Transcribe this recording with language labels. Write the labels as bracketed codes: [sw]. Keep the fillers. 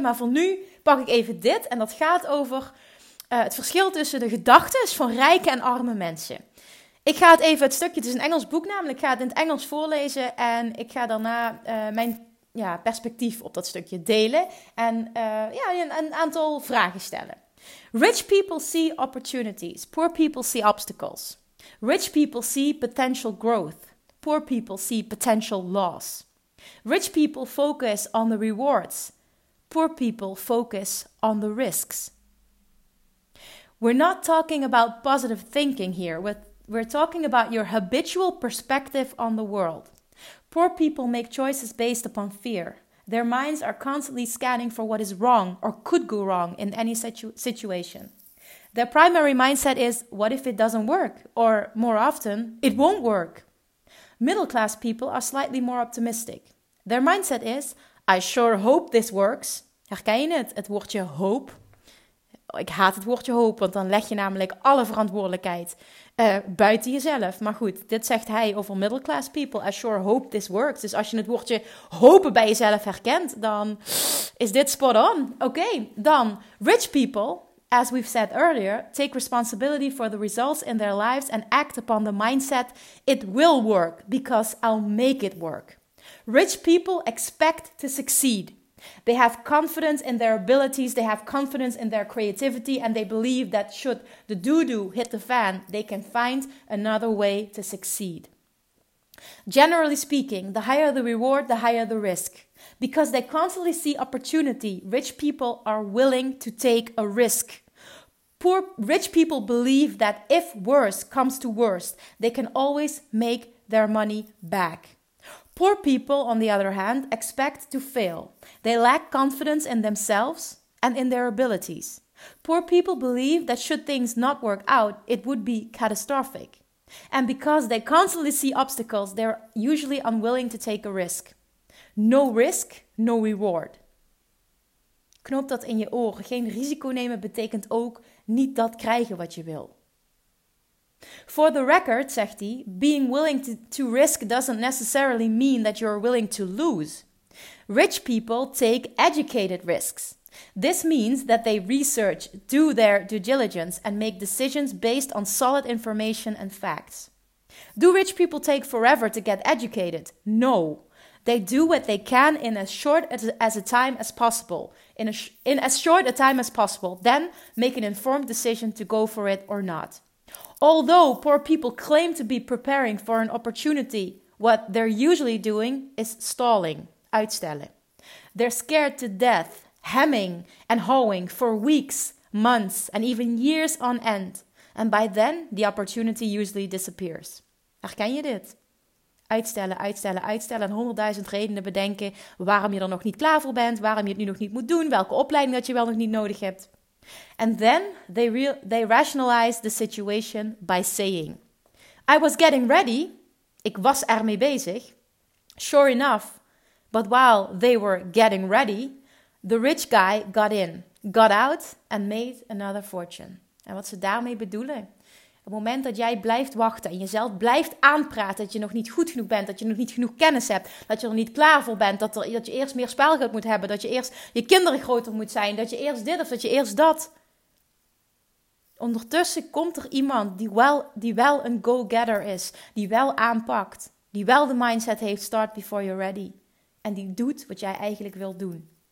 [nl] Maar voor nu pak ik even dit en dat gaat over eh, het verschil tussen de gedachten van rijke en arme mensen. Ik ga het even het stukje, het is een Engels boek namelijk, ik ga het in het Engels voorlezen en ik ga daarna eh, mijn ja, perspectief op dat stukje delen en eh, ja, een, een aantal vragen stellen. [en] Rich people see opportunities, poor people see obstacles. Rich people see potential growth, poor people see potential loss. Rich people focus on the rewards, poor people focus on the risks. We're not talking about positive thinking here. We're, we're talking about your habitual perspective on the world. Poor people make choices based upon fear. Their minds are constantly scanning for what is wrong or could go wrong in any situ- situation. Their primary mindset is what if it doesn't work? Or more often, it won't work. Middle class people are slightly more optimistic. Their mindset is I sure hope this works. [nl] Herken je het? Het woordje hope ik haat het woordje hoop, want dan leg je namelijk alle verantwoordelijkheid eh, buiten jezelf. Maar goed, dit zegt hij over middle class people. I sure hope this works. Dus als je het woordje hopen bij jezelf herkent, dan is dit spot on. [en] Oké, dan rich people, as we've said earlier, take responsibility for the results in their lives and act upon the mindset it will work because I'll make it work. Rich people expect to succeed. They have confidence in their abilities, they have confidence in their creativity, and they believe that should the doo doo hit the fan, they can find another way to succeed. Generally speaking, the higher the reward, the higher the risk. Because they constantly see opportunity, rich people are willing to take a risk. Poor rich people believe that if worse comes to worst, they can always make their money back. Poor people, on the other hand, expect to fail. They lack confidence in themselves and in their abilities. Poor people believe that should things not work out, it would be catastrophic. And because they constantly see obstacles, they're usually unwilling to take a risk. [nl] No risk, no reward. Knoop dat in je oren. Geen risico nemen betekent ook niet dat krijgen wat je wil. [en] For the record, zegt hij, being willing to, to risk doesn't necessarily mean that you're willing to lose. Rich people take educated risks. This means that they research, do their due diligence, and make decisions based on solid information and facts. Do rich people take forever to get educated? No. They do what they can in as short as, as a time as possible, in, a sh- in as short a time as possible, then make an informed decision to go for it or not. Although poor people claim to be preparing for an opportunity, what they're usually doing is stalling, uitstellen. They're scared to death hemming and hawing for weeks, months, and even years on end. And by then, the opportunity usually disappears. [nl] Herken je dit? Uitstellen, uitstellen, uitstellen en honderdduizend redenen bedenken waarom je er nog niet klaar voor bent, waarom je het nu nog niet moet doen, welke opleiding dat je wel nog niet nodig hebt. [en] And then they, real they rationalize the situation by saying: I was getting ready. Ik was ermee bezig. Sure enough. But while they were getting ready, The rich guy got in, got out and made another fortune. [nl] En wat ze daarmee bedoelen. Het moment dat jij blijft wachten en jezelf blijft aanpraten dat je nog niet goed genoeg bent, dat je nog niet genoeg kennis hebt, dat je er niet klaar voor bent, dat, er, dat je eerst meer spelgeld moet hebben, dat je eerst je kinderen groter moet zijn, dat je eerst dit of dat je eerst dat. Ondertussen komt er iemand die wel, die wel een go-getter is, die wel aanpakt, die wel de mindset heeft start before you're ready en die doet wat jij eigenlijk wilt doen.